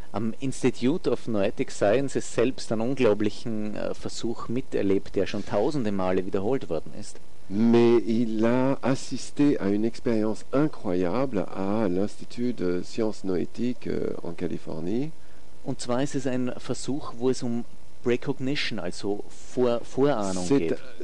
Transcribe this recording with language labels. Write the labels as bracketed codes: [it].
[de] am Institute of Noetic Sciences selbst einen unglaublichen Versuch miterlebt, der schon tausende Male wiederholt worden ist. [fr] Mais il a assisté à une expérience incroyable à l'Institut de Sciences Noétiques en Californie. [de] Und zwar ist es ein Versuch, wo es um Precognition, also Vorahnung, geht.